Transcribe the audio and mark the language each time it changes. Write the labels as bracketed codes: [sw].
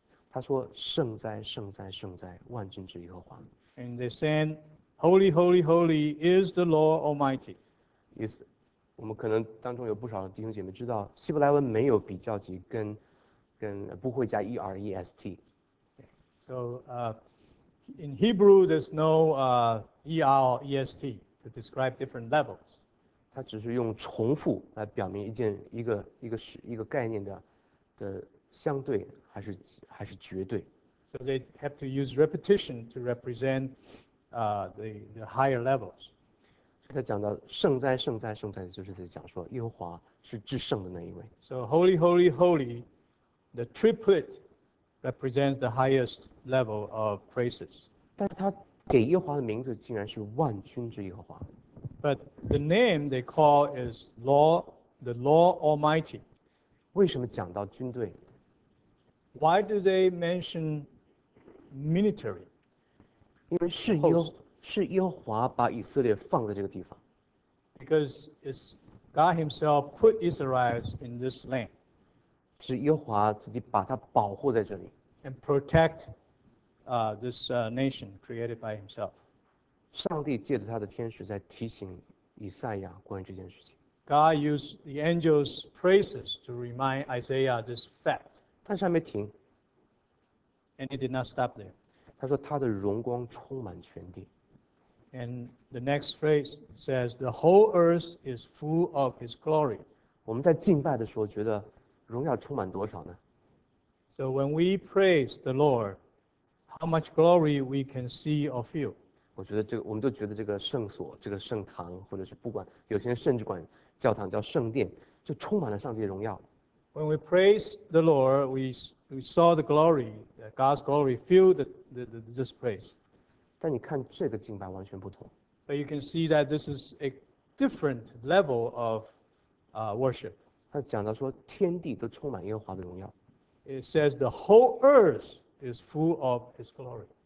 [zh] 他说圣哉圣哉圣哉万军之耶和华。 [en] And they sang, Holy, holy, holy is the Lord Almighty. Yes, [zh] 我们可能当中有不少弟兄姐妹知道希伯来文没有比较级跟不会加 EREST. [en] So in Hebrew, there's no ER or EST to describe different levels. [zh] 它只是用重复来表明一个概念的相对还是绝对。 [en] So they have to use repetition to represent the higher levels. [zh] 所以他讲到圣哉圣哉圣哉，就是在讲说耶和华是至圣的那一位。 [en] So holy, holy, holy. The triplet represents the highest level of praises. [zh] 但是他给耶和华的名字竟然是万军之耶和华。 [en] But the name they call is Lord, the Lord Almighty. [zh] 为什么讲到军队？ [en] Why do they mention military? [zh] 因为是耶和华把以色列放在这个地方。 [en] Because it's God himself put Israel in this land. [zh] 是耶和华自己把他保护在这里 [en] ，and protect this nation created by himself. [zh] 上帝借着他的天使在提醒以赛亚关于这件事情。 [en] God used the angels' praises to remind Isaiah this fact. [zh] 但是还没停 [en] ，and it did not stop there. [zh] 他说他的荣光充满全地 [en] ，and the next phrase says the whole earth is full of his glory. [zh] 我们在敬拜的时候觉得。荣耀充满多少呢？ [en] So when we praise the Lord, how much glory we can see or feel? [zh] 我觉得这个，我们都觉得这个圣所、这个圣堂，或者是不管，有些人甚至管教堂叫圣殿，就充满了上帝的荣耀。 [en] When we praise the Lord, we saw the glory, God's glory fill this place. [zh] 但你看这个敬拜完全不同。 [en] But you can see that this is a different level of worship. [zh] 他讲到说天地都充满耶和华的荣耀。 [en] It says the whole earth is full of His glory.